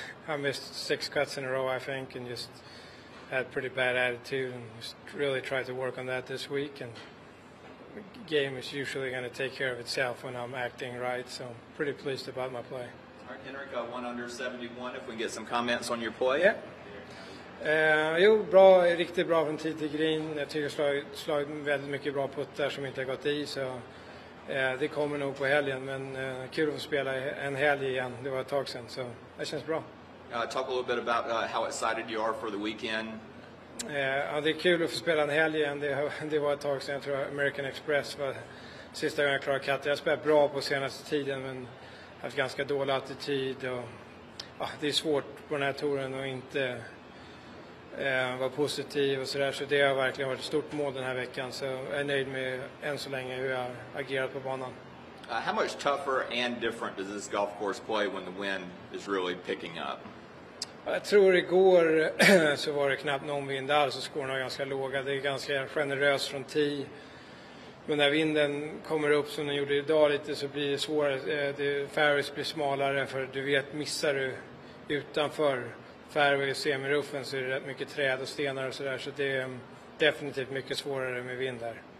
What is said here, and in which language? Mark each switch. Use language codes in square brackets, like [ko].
[en] I missed 6 cuts in a row, I think, and just had pretty bad attitude, and just really tried to work on that this week. And the game is usually going to take care of itself when I'm acting right, so I'm pretty pleased about my play. All right, Henrik, 1 under 71, if we can get some comments on your play. Yeah. [sv] Jo, bra, riktigt bra från tid till green. Jag tycker att jag har slagit väldigt mycket bra puttar som inte har gått i, så det kommer nog på helgen, men kul att spela en helg igen. Det var ett tag sedan, så det känns bra. [en] Talk a little bit about how excited you are for the weekend. [sv] Ja, det är kul att få spela en helg igen. Det var ett tag sedan, jag tror American Express var sista gången jag klarade katt. Jag har spelat bra på senaste tiden, men haft ganska dålig attityd. Och, ja, det är svårt på den här touren att inte vara positiv och sådär. Så det har verkligen varit ett stort mål den här veckan. Så jag är nöjd med än så länge hur jag har agerat på banan. [en] How much tougher and different does this golf course play when the wind is really picking up? [sv] Jag tror igår så var det knappt någon vind alls, så skorna var ganska låga. Det är ganska generöst från tee. Men när vinden kommer upp som den gjorde idag lite, så blir det svårare. Fairways blir smalare, för du vet, missar du utanför fairway och semiruffen så är det rätt mycket träd och stenar och sådär. Så det är definitivt mycket svårare med vind där.